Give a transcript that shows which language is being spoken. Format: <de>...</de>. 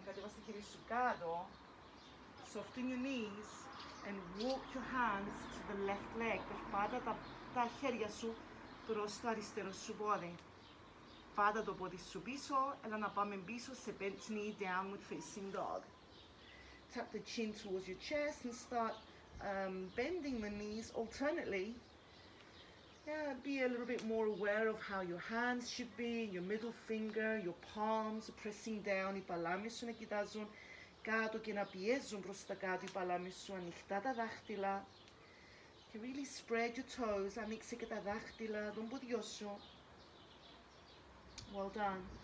<el>Κατέβασε τα χέρια σου κάτω.</el> <en>Soften your knees. And walk your hands to the left leg.</en> <el>Πάτα τα χέρια σου προς το αριστερό σου πόδι. Πάτα το πόδι σου πίσω. Έλα να πάμε πίσω σε bent knee downward facing dog.</el> <en>Tap the chin towards your chest and start bending the knees alternately. Yeah, be a little bit more aware of how your hands should be, your middle finger, your palms pressing down.</en> <el>Οι παλάμες σου να κοιτάζουν κάτω και να πιέζουν προς τα κάτω. Οι παλάμες σου ανοιχτά τα δάχτυλα. Και</el> <en>really spread your toes.</en> <el>Ανοίξε και τα δάχτυλα των ποδιών σου.</el> <en>Well done.</en>